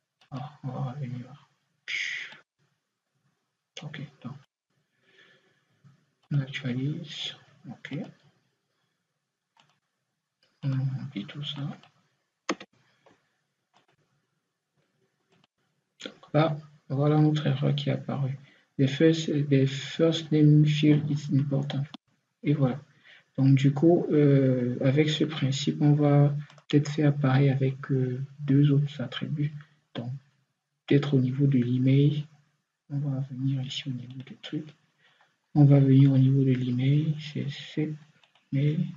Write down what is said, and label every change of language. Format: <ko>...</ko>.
<fr>Ah, on va revenir. Ok, donc Naturalise. OK. On remplit tout ça. Là, voilà notre erreur qui est apparue.</fr> <en>The first name field is important.</en> <fr>Et voilà. Donc, du coup, avec ce principe, on va peut-être faire pareil avec deux autres attributs. Donc, peut-être au niveau de l'email. On va venir ici au niveau des trucs. On va venir au niveau de l'email. C'est cette mail.</fr>